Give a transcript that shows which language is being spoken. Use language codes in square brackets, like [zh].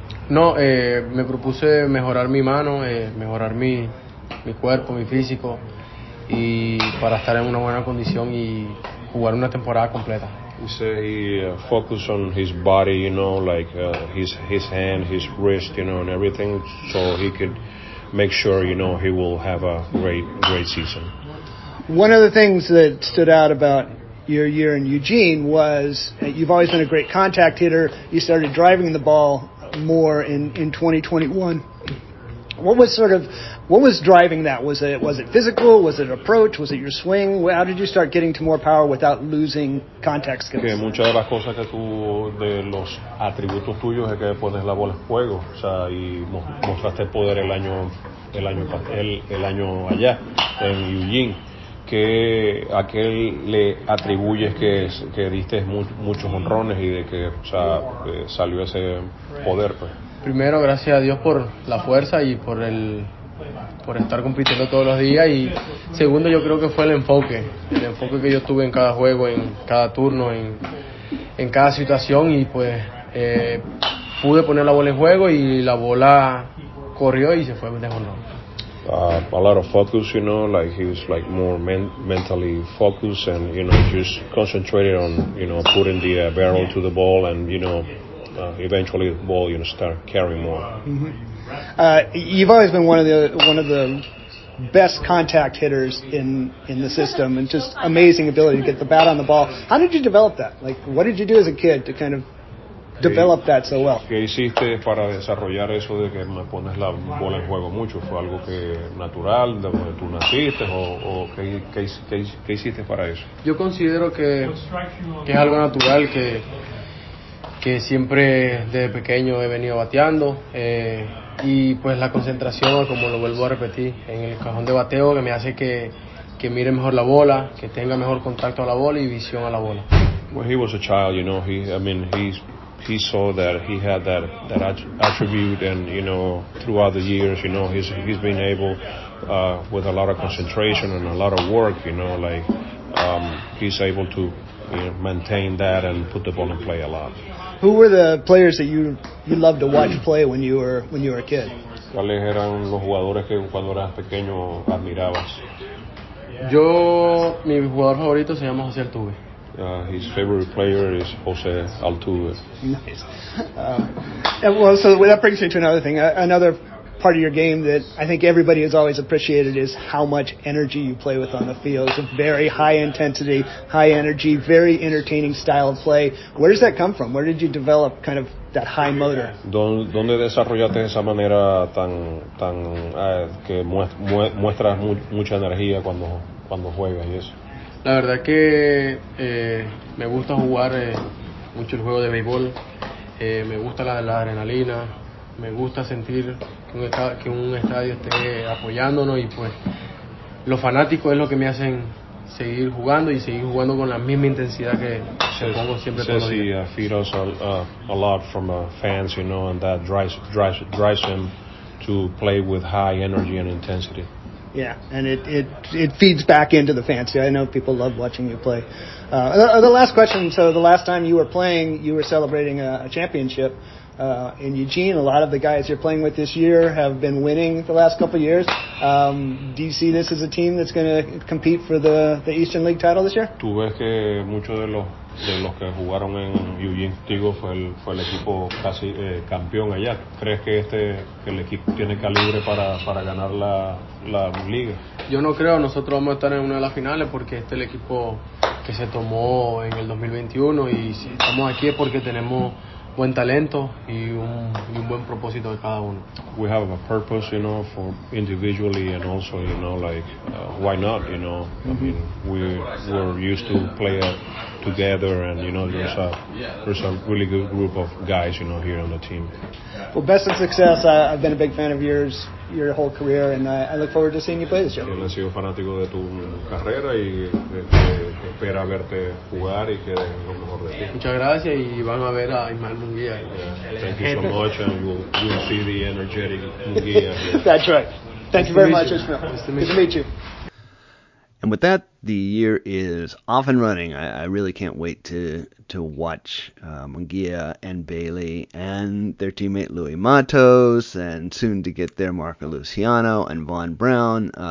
[es] No, me propuse mejorar mi mano, mejorar mi cuerpo, mi físico, y para estar en una buena condición y jugar una temporada completa. [en] He said he focused on his body, you know, like his hand, his wrist, you know, and everything, so he could make sure, you know, he will have a great season. One of the things that stood out about your year in Eugene was you've always been a great contact hitter. You started driving the ball more in 2021. What was driving that? Was it physical? Was it approach? Was it your swing? How did you start getting to more power without losing contact skills? [es] Que muchas de las cosas que tú de los atributos tuyos es que pones la bola en juego, o sea, y mostraste poder el año allá en Eugene. Que a qué le atribuyes que diste muchos honrones y de que, o sea, salió ese poder, pues. Primero, gracias a Dios por la fuerza y por estar compitiendo todos los días. Y segundo, yo creo que fue el enfoque que yo tuve en cada juego, en cada turno, en cada situación. Y pues pude poner la bola en juego y la bola corrió y se fue de honor. [en] A lot of focus, you know, like he was like more mentally focused and, you know, just concentrated on, you know, putting the barrel to the ball and, you know, eventually the ball, you know, start carrying more. Mm-hmm. You've always been one of the best contact hitters in the system and just amazing ability to get the bat on the ball. How did you develop that? Like, what did you do as a kid to kind of develop that so well? [es] ¿Qué hiciste para desarrollar eso de que me pones la bola en juego mucho? ¿Fue algo que natural de donde tú naciste o qué hiciste para eso? Yo considero que es algo natural que siempre desde pequeño he venido bateando y pues la concentración, como lo vuelvo a repetir, en el cajón de bateo que me hace que mire mejor la bola, que tenga mejor contacto a la bola y visión a la bola. [en] Well, he was a child, you know. He saw that he had that attribute, and you know, throughout the years, you know, he's been able, with a lot of concentration and a lot of work, you know, like he's able to, you know, maintain that and put the ball in play a lot. Who were the players that you loved to watch play when you were a kid? [es] ¿Cuáles eran los jugadores que cuando eras pequeño admirabas? Yo, mi jugador favorito se llama José Altuve. [en] His favorite player is José Altuve. Nice. So that brings me to another thing. Another part of your game that I think everybody has always appreciated is how much energy you play with on the field. It's a very high intensity, high energy, very entertaining style of play. Where does that come from? Where did you develop kind of that high motor? [es] ¿Dónde desarrollaste esa manera tan que muestras mucha energía cuando juegas y eso? La verdad que me gusta jugar mucho el juego de béisbol, me gusta la adrenalina, me gusta sentir que un estadio esté apoyándonos y pues los fanáticos es lo que me hacen seguir jugando y seguir jugando con la misma intensidad que pongo siempre. [en] Says he feeds us a lot from fans, you know, and that drives him to play with high energy and intensity. Yeah, and it feeds back into the fans. I know people love watching you play. The last question, so the last time you were playing, you were celebrating a championship in Eugene. A lot of the guys you're playing with this year have been winning the last couple of years. Do you see this as a team that's going to compete for the Eastern League title this year? [es] ¿Tú ves que muchos de los que jugaron en Eugene contigo fue el equipo casi campeón allá? ¿Crees que el equipo tiene calibre para ganar la liga? Yo no creo. Nosotros vamos a estar en una de las finales porque este es el equipo que se tomó en el 2021 y si estamos aquí es porque tenemos buen talento y un buen propósito de cada uno. [en] We have a purpose, you know, for individually and also, you know, like, why not, you know? Mm-hmm. I mean, we're used to play together and, you know, there's a really good group of guys, you know, here on the team. Well, best of success. I've been a big fan of yours your whole career, and I look forward to seeing you play this year. [es] He sido fanático de tu carrera y espera verte jugar y que lo mejor de ti. Muchas gracias y van a ver a Ismael Munguia. [en] Thank you so much, and we'll see the energetic Munguia. That's right. Thank you very much, Ismael. Nice to meet you. And with that, the year is off and running. I really can't wait to watch Munguia and Bailey and their teammate Louis Matos, and soon to get there Marco Luciano and Vaughn Brown.